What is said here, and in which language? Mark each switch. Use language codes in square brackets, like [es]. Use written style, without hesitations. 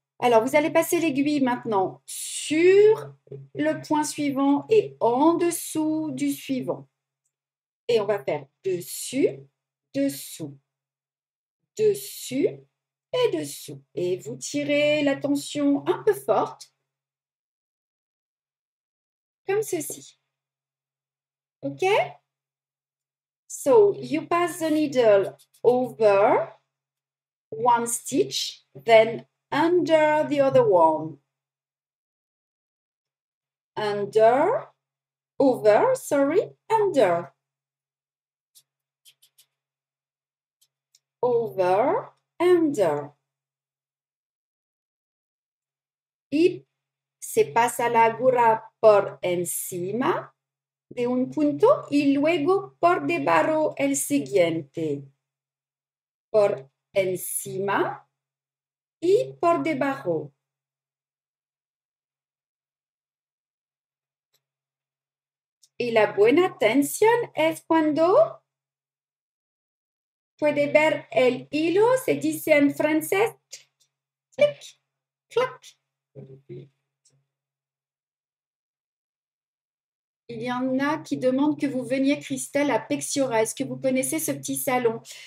[fr] Alors, vous allez passer l'aiguille maintenant sur le point suivant et en dessous du suivant. Et on va faire dessus, dessous, dessus et dessous. Et vous tirez la tension un peu forte, comme ceci. OK? [en] So, you pass the needle over one stitch, then under the other one. Under, over, sorry, under. Over, under. [es] y se pasa la gorra por encima de un punto y luego por debajo el siguiente. Por encima y por debajo. Y la buena tensión es cuando puede ver el hilo, se dice en francés, clic, clac. [fr] Il y en a qui demandent que vous veniez, Christelle, à Pexiora. Est-ce que vous connaissez ce petit salon?